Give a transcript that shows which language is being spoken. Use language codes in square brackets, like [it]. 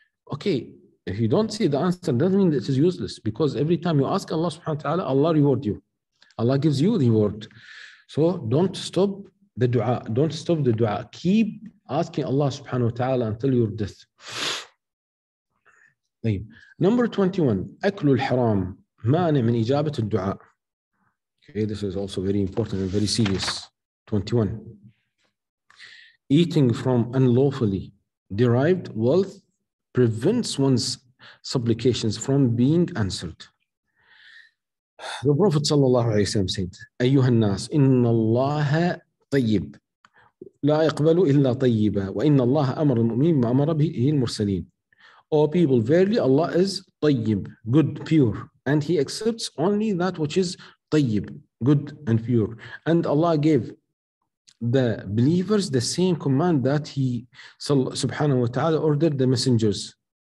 [en] Okay, if you don't see the answer, that doesn't mean this is useless. Because every time you ask Allah subhanahu wa ta'ala, Allah reward you. Allah gives you the reward. So don't stop the dua. Don't stop the dua. Keep asking Allah subhanahu wa ta'ala until your death. Number 21, [ar] أكل الحرام مانع من إجابة الدعاء. [en] Okay, this is also very important and very serious. 21, eating from unlawfully derived wealth prevents one's supplications from being answered. The Prophet sallallahu alayhi wa sallam said, [ar] أيها الناس إن الله طيب لا يقبل إلا طيبا وإن الله أمر المؤمنين ما أمر به المرسلين. [en] O people, verily Allah is tayyib, good, pure. And He accepts only that which is tayyib, good and pure. And Allah gave the believers the same command that He, subhanahu wa ta'ala, ordered the messengers.